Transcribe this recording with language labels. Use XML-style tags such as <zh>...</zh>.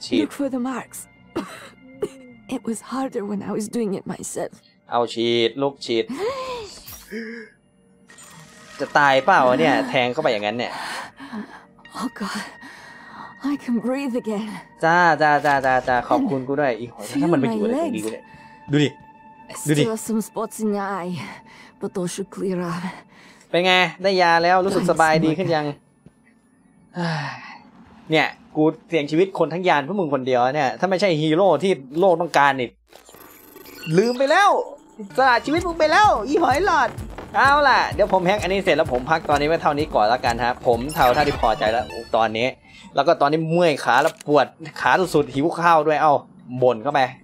<en>look for the marks It was harder when I was doing it myself</en> <th>เอาฉีดลูกฉีด จะตายเปล่าเนี่ยแทงเข้าไปอย่างนั้นเนี่ย</th> <en>Oh GodI can breathe again.</en> <th>จ้าขอบคุณกูด้วยอีกหน่อยถ้ามันไม่อยู่แล้วดีกว่าดูดิ</th> <en>Still some spots in the eye, but those should clear up.</en> <th>เป็นไงได้ยาแล้วรู้สึกสบายดีขึ้นยังเนี่ยกูเสี่ยงชีวิตคนทั้งยานเพื่อมึงคนเดียวเนี่ยถ้าไม่ใช่ฮีโร่ที่โลกต้องการนี่ลืมไปแล้วสละชีวิตมึงไปแล้วอีหอยหลอดเอาล่ะเดี๋ยวผมแฮกอันนี้เสร็จแล้วผมพักตอนนี้ไว้เท่านี้ก่อนแล้วกันครับผมเท่าที่พอใจแล้วตอนนี้แล้วก็ตอนนี้เมื่อยขาแล้วปวดขาสุดๆหิวข้าวด้วยเอ้าบ่นเข้าไป</th>